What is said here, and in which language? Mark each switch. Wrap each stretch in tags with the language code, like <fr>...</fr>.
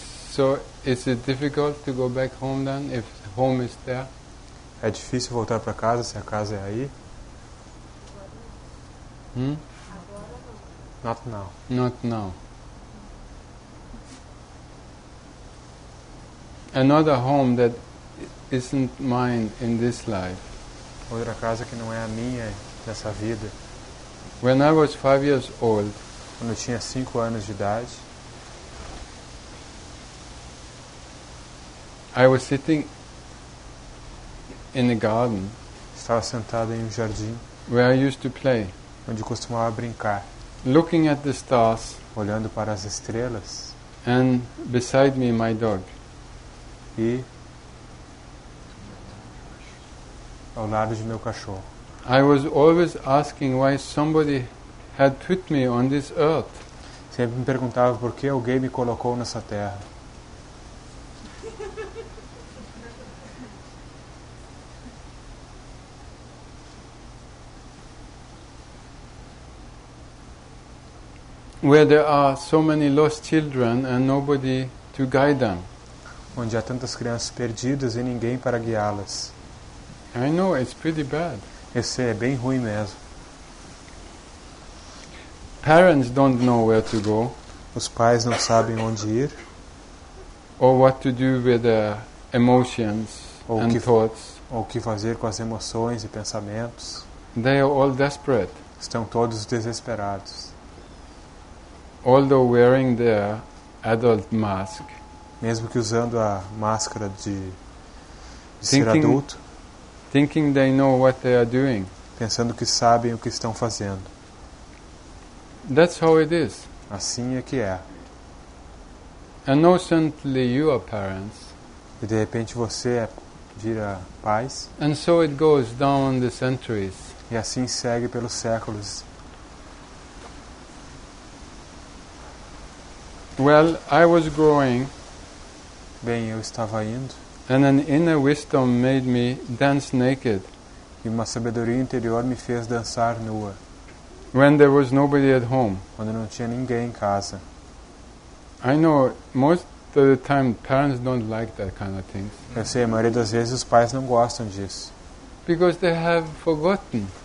<en>So, is it difficult to go back home then if home is there?</en> <pt>É difícil voltar para casa se a casa é aí? Hmm?</pt> <en>Not now. Not now. Another home that isn't mine in this life.</en> <pt>Outra casa que não é a minha nessa vida.</pt> <en>When I was 5 years old,</en> <pt>quando eu tinha 5 anos de idade,</pt> <en>I was sitting in a garden.</en> <pt>Estava sentado em um jardim.</pt> <en>Where I used to play.</en> <pt>Onde eu costumava brincar.</pt> <en>Looking at the stars.</en> <pt>Olhando para as estrelas.</pt> <en>And beside me, my dog.</en> <pt>E ao lado de meu cachorro.</pt> <en>I was always asking why somebody had put me on this earth.</en> <pt>Sempre me perguntava por que alguém me colocou nessa terra.</pt> <en>Where there are so many lost children and nobody to guide them.</en> <pt>Onde há tantas crianças perdidas e ninguém para guiá-las.</pt> <en>I know, it's pretty bad.</en> <pt>Esse é bem ruim mesmo.</pt> <en>Parents don't know where to go.</en> <pt>Os pais não sabem onde ir.</pt> <en>Or what to do with the emotions and thoughts.</en> <pt>Ou o que fazer com as emoções e pensamentos.</pt> <en>They are all desperate.</en> <pt>Estão todos desesperados.</pt> <en>Although wearing the adult mask,</en> <pt>mesmo que usando a máscara de ser adulto,</pt> <en>thinking they know what they are doing,</en> <pt>pensando que sabem o que estão fazendo.</pt> <en>That's how it is.</en> <pt>Assim é que é.</pt> <en>And suddenly you are parents.</en> <pt>E de repente você vira pais.</pt> <en>And so it goes down the centuries.</en> <pt>E assim segue pelos séculos.</pt> <en>Well, I was growing.</en> <pt>Bem, eu estava indo.</pt> <en>And an inner wisdom made me dance naked.</en> <pt>E uma sabedoria interior me fez dançar nua.</pt> <en>When there was nobody at home.</en> <pt>Quando não tinha ninguém em casa.</pt> <en>I know most of the time parents don't like that kind of thing.</en> <pt>Eu sei, a maioria das vezes os pais não gostam disso.</pt> <en>Because they have forgotten.</en>